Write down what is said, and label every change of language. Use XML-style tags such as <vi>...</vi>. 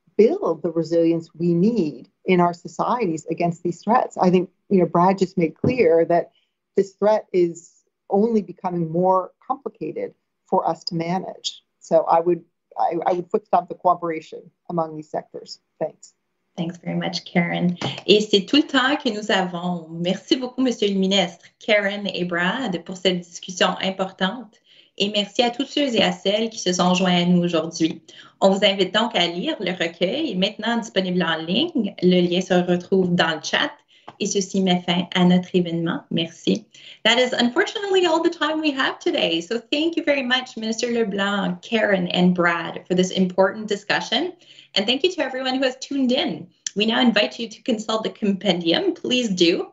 <en>build the resilience we need in our societies against these threats. I think, you know, Brad just made clear that this threat is only becoming more complicated for us to manage. So I would foot stomp the cooperation among these sectors. Thanks. Thanks very much, Karen.</en> <fr>Et c'est tout le temps que nous avons. Merci beaucoup, Monsieur le Ministre, Karen et Brad, pour cette discussion importante. Et merci à tous ceux et à celles qui se sont joints à nous aujourd'hui. On vous invite donc à lire le recueil, maintenant disponible en ligne. Le lien se retrouve dans le chat. Et ceci met fin à notre événement. Merci.</fr> <en>That is unfortunately all the time we have today. So thank you very much, Minister LeBlanc, Karen, and Brad, for this important discussion. And thank you to everyone who has tuned in. We now invite you to consult the compendium. Please do.</en>